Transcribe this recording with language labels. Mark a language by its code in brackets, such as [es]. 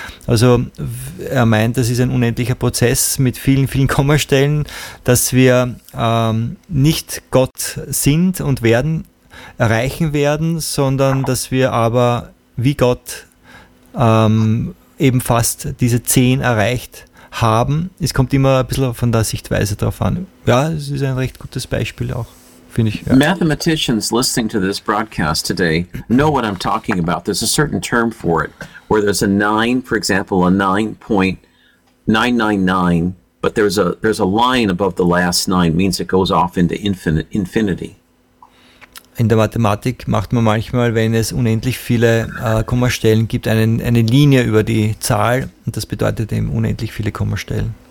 [de] Also er meint, das ist ein unendlicher Prozess mit vielen, vielen Kommastellen, dass wir nicht Gott sind und werden, erreichen werden, sondern dass wir aber wie Gott eben fast diese 10 erreicht haben. Es kommt immer ein bisschen von der Sichtweise drauf an. Ja, es ist ein recht gutes Beispiel auch, finde ich. Ja. [en] Mathematicians listening to this broadcast today know what I'm talking about. There's a certain term for it, where there's a 9, for example, a 9.999, but there's a line above the last 9, means it goes off into infinity. [de] In der Mathematik macht man manchmal, wenn es unendlich viele Kommastellen gibt, eine Linie über die Zahl, und das bedeutet eben unendlich viele Kommastellen.